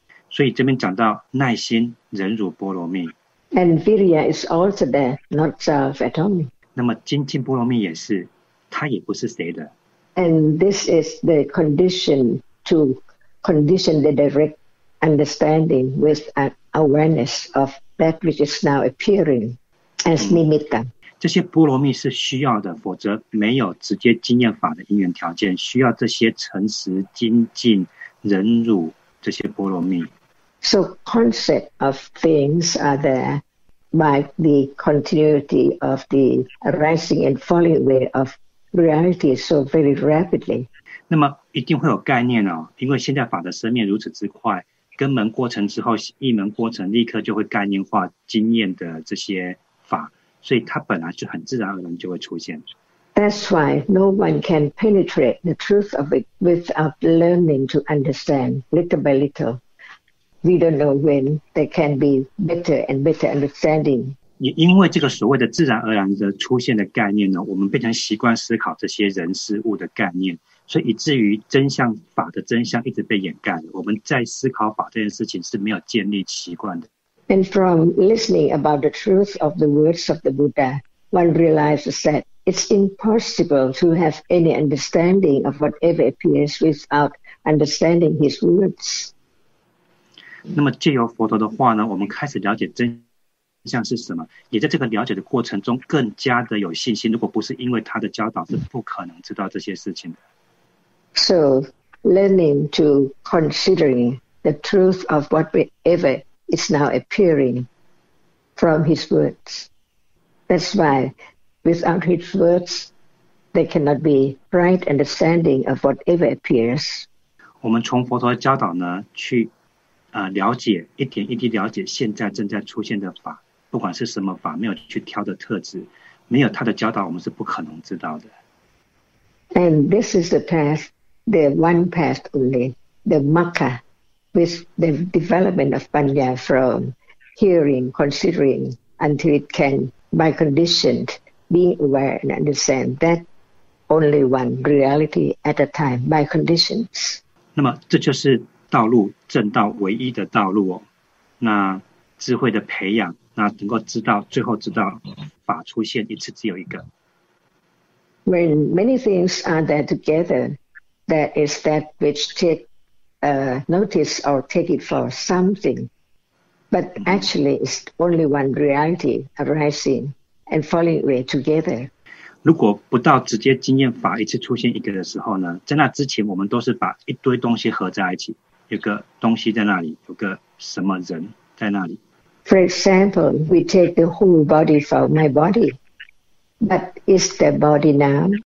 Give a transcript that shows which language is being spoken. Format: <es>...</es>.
<zh>所以这边讲到耐心忍辱波罗蜜。</zh> <en>And virya is also there, not self at all.</en> <zh>那么精进波罗蜜也是，它也不是谁的。</zh> <en>And this is the condition to condition the direct understanding with an awareness of that which is now appearing as nimitta.</en> <zh>这些波罗蜜是需要的，否则没有直接经验法的因缘条件，需要这些诚实精进。忍辱这些波罗蜜</zh> <en>So concept of things are there by the continuity of the rising and falling away of reality so very rapidly</en> <zh>那么一定会有概念哦，因为现在法的生灭如此之快，根门过程之后一门过程立刻就会概念化经验的这些法，所以它本来就很自然而然就会出现。</zh> <en>That's why no one can penetrate the truth of it without learning to understand little by little. We don't know when there can be better and better understanding.</en> <zh>也因为这个所谓的自然而然的出现的概念呢，我们变成习惯思考这些人事物的概念，所以以至于真相法的真相一直被掩盖了。我们在思考法这件事情是没有建立习惯的。</zh> <en>And from listening about the truth of the words of the Buddha, one realizes that. It's impossible to have any understanding of whatever appears without understanding his words.</en> <zh>那么借由佛陀的话呢，我们开始了解真相是什么，也在这个了解的过程中更加的有信心，如果不是因为他的教导，是不可能知道这些事情的。</zh> <en>So, learning to considering the truth of whatever is now appearing from his words. That's why without his words, there cannot be right understanding of whatever appears.</en> <zh>我们从佛陀的教导呢，去了解一点一滴了解现在正在出现的法，不管是什么法，没有去挑的特质，没有他的教导，我们是不可能知道的。</zh> <en>And this is the path, the one path only, the Magga, with the development of Panya from hearing, considering, until it can, by conditioned, being aware and understand that only one reality at a time, by conditions.</en> <zh>那么这就是道路，正道唯一的道路哦。那智慧的培养，那能够知道，最后知道法出现一次只有一个。</zh> <en>When many things are there together, that is that which take notice or take it for something. But actually, it's only one reality arising and falling away together.</en> <zh>如果不到直接经验法一次出现一个的时候呢，在那之前我们都是把一堆东西合在一起，有个东西在那里，有个什么人在那里。</zh> <en>For example, we take the whole body for my body. But is the body now?</en>